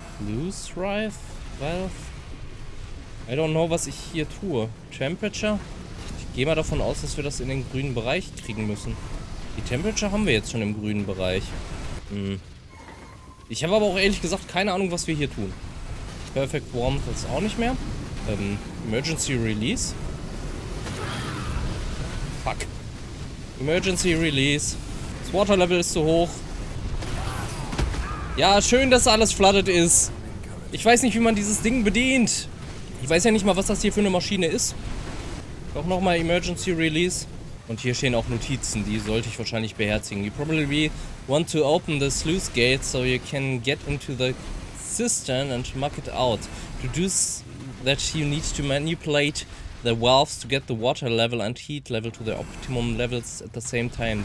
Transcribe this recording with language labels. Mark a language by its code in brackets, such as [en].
[en] Loose rife valve? I don't know, [de] was ich hier tue. [en] Temperature? [de] Ich gehe mal davon aus, dass wir das in den grünen Bereich kriegen müssen. Die Temperature haben wir jetzt schon im grünen Bereich. Hm. Ich habe aber auch ehrlich gesagt keine Ahnung, was wir hier tun. Perfect Warmth ist auch nicht mehr. Emergency Release. Fuck. Emergency Release. Das Water Level ist zu hoch. Ja, schön, dass alles flooded ist. Ich weiß nicht, wie man dieses Ding bedient. Ich weiß ja nicht mal, was das hier für eine Maschine ist. Doch nochmal Emergency Release. Und hier stehen auch Notizen, die sollte ich wahrscheinlich beherzigen. [en] You probably want to open the sluice gate so you can get into the cistern and muck it out. To do that you need to manipulate the valves to get the water level and heat level to the optimum levels at the same time.